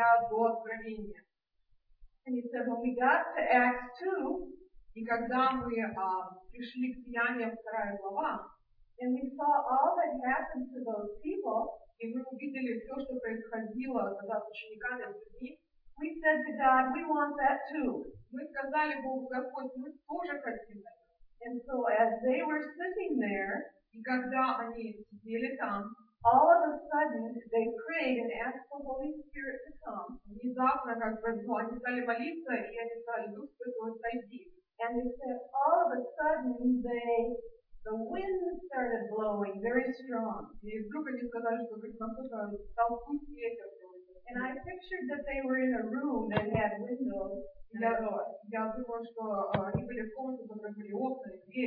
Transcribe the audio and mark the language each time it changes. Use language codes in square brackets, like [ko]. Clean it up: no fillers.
[en] And he said, when we got to Acts 2, and we saw all that happened to those people, [ru] и мы увидели все, что происходило тогда с учениками, с людьми. [en] We said to God, we want that too. [ru] Мы сказали Богу, Господь, мы тоже хотим это. [en] And so as they were sitting there, [ru] и когда они сидели там, [en] all of a sudden they prayed and asked the Holy Spirit to come. [ru] Внезапно, как бы, ну, они стали молиться, и они сказали, Дух Святой, сойди. [en] And they said, all of a sudden they the wind started blowing very strong. And I pictured that they were in a room that had windows and a door.